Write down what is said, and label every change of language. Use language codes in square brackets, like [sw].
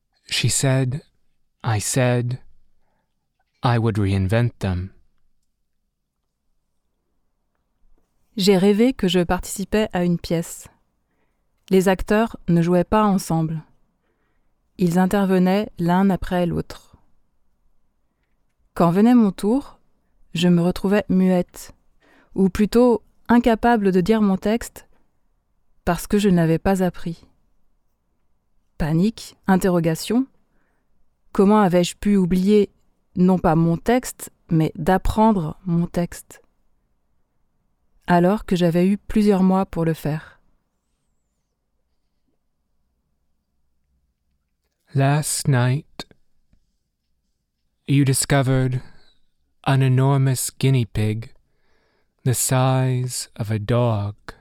[en] She said, I said, I would reinvent them. [fr] J'ai rêvé que je participais à une pièce. Les acteurs ne jouaient pas ensemble. Ils intervenaient l'un après l'autre. Quand venait mon tour, je me retrouvais muette, ou plutôt incapable de dire mon texte, parce que je ne l'avais pas appris. Panique, interrogation, comment avais-je pu oublier, non pas mon texte, mais d'apprendre mon texte ? Alors que j'avais eu plusieurs mois pour le faire. [en] Last night, you discovered an enormous guinea pig the size of a dog.